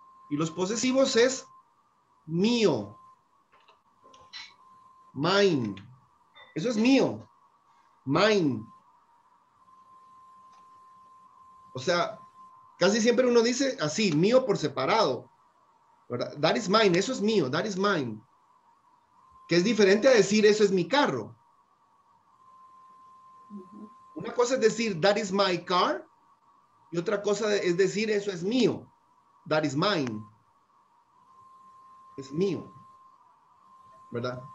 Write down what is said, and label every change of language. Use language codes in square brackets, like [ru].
[es] Y los posesivos es mío. [en] Mine. [es] Eso es mío. Mine. O sea, casi siempre uno dice así, mío por separado. ¿Verdad? [en] That is mine, [es] eso es mío, [en] that is mine. [es] Que es diferente a decir eso es mi carro. Una cosa es decir [en] that is my car [es] y otra cosa es decir eso es mío. [en] That is mine. [es] Es mío. ¿Verdad?